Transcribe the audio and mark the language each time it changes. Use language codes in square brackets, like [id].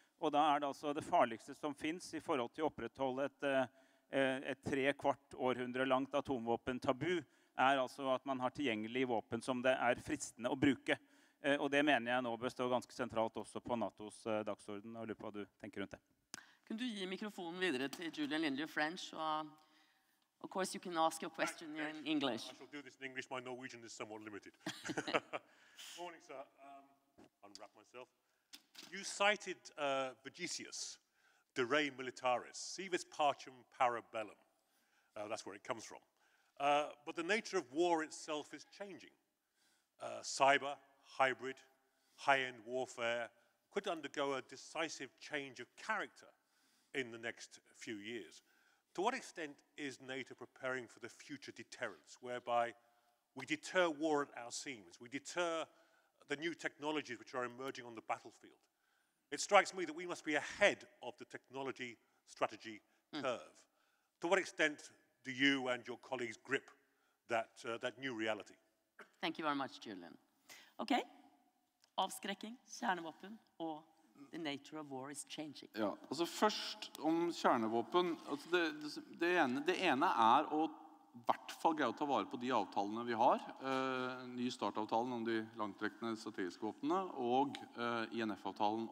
[no] Og da det altså det farligste som finnes i forhold til å opprettholde et 3/4 århundre langt atomvåpen-tabu er altså at man har tilgjengelig våpen som det fristende å bruke. Og det mener jeg nå bør stå ganske sentralt også på NATOs dagsorden, og lurer på hva du tenker rundt det. Kan du gi mikrofonen videre til Julian Lindley French? [en] Of course, you can ask your question in English. I shall do this in English. My Norwegian is somewhat limited. Morning, sir. Unwrap myself. You cited Vegesius. [la] De re militaris, civis pacem parabellum. [en] That's where it comes from. But the nature of war itself is changing. Cyber, hybrid, high-end warfare could undergo a decisive change of character in the next few years. To what extent is NATO preparing for the future deterrence, whereby we deter war at our seams, we deter the new technologies which are emerging on the battlefield? It strikes me that we must be ahead of the technology strategy curve. To what extent do you and your colleagues grip that that new reality? Thank you very much, Julian. Okay. [no] Avskrekking, kjernevåpen og [en] the nature of war is changing. [no] Ja, altså først om kjernevåpen, altså det ene er å hvert fall greie å ta vare på de avtalene vi har, ny startavtalen om de langtrekkende strategiske våpnene og INF-avtalen.